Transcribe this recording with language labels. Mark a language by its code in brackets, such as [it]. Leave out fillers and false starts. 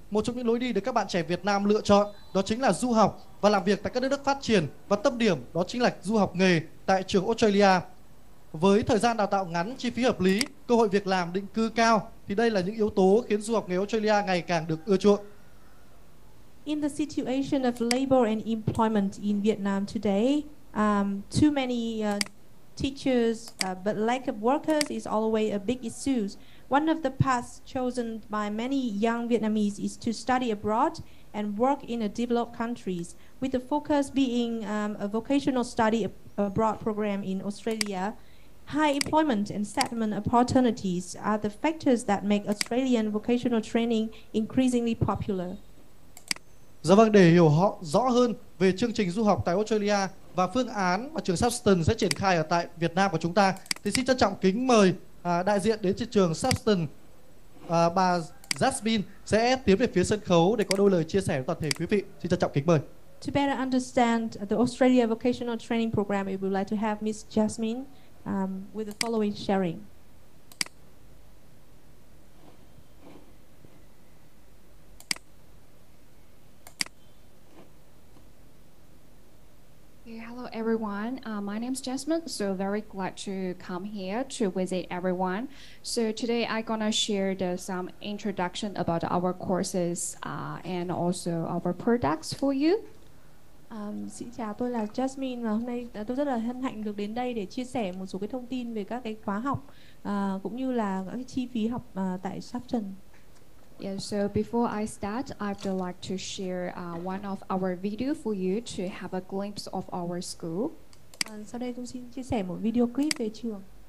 [vi] Một trong những lối đi được các bạn trẻ Việt Nam lựa chọn đó chính là du học và làm việc tại các nước phát triển, và tâm điểm đó chính là du học nghề tại trường Australia. Với thời gian đào tạo ngắn, chi phí hợp lý, cơ hội việc làm định cư cao, thì đây là những yếu tố khiến du học nghề Australia ngày càng được ưa chuộng. [en] In the situation of labor and employment in Vietnam today, too many teachers but lack of workers is always a big issue. One of the paths chosen by many young Vietnamese is to study abroad and work in a developed countries, with the focus being a vocational study abroad program in Australia. High employment and settlement opportunities are the factors that make Australian vocational training increasingly popular. [vi] Dạ vâng, để hiểu họ rõ hơn về chương trình du học tại Australia và phương án mà trường Sapston sẽ triển khai ở tại Việt Nam của chúng ta, thì xin trân trọng kính mời đại diện đến từ trường Sapston, bà Jasmine sẽ tiến về phía sân khấu để có đôi lời chia sẻ với toàn thể quý vị. Xin trân trọng kính mời. [en] To better understand the Australia Vocational Training Program, we would like to have Miss Jasmine with the following sharing. Hello everyone, my name is Jasmine, so very glad to come here to visit everyone. So today I'm gonna share some introduction about our courses and also our products for you. [vi] Xin chào, tôi là Jasmine và hôm nay tôi rất là hân hạnh được đến đây để chia sẻ một số cái thông tin về các cái khóa học cũng như là các cái chi phí học tại Sapton. [en] Yeah, so before I start, I'd like to share one of our video for you to have a glimpse of our school. [vi] Sau đây tôi xin chia sẻ một video clip về trường.